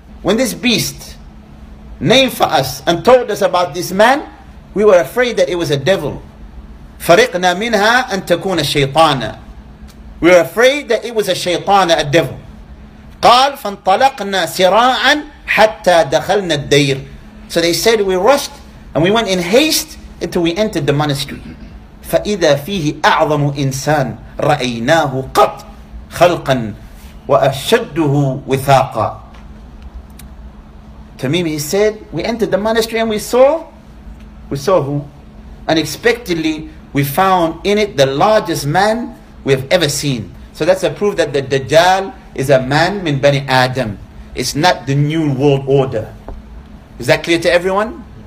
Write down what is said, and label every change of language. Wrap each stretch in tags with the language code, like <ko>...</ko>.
<en>When this beast named for us and told us about this man, we were afraid that it was a devil.</en> <ar>فرقنا منها أن تكون شيطانا.</ar> <en>We were afraid that it was a شيطان, a devil.</en> <ar>قال فانطلقنا سراعا حتى دخلنا الدير.</ar> <en>So they said, we rushed and we went in haste until we entered the monastery.</en> <ar>فإذا فيه أعظم إنسان رأيناه قط خلقا وأشده وثاقا.</ar> <en>Tamim, he said, we entered the monastery and we saw who? Unexpectedly, we found in it the largest man we have ever seen. So that's a proof that the Dajjal is a man min Bani Adam. It's not the new world order. Is that clear to everyone?</en>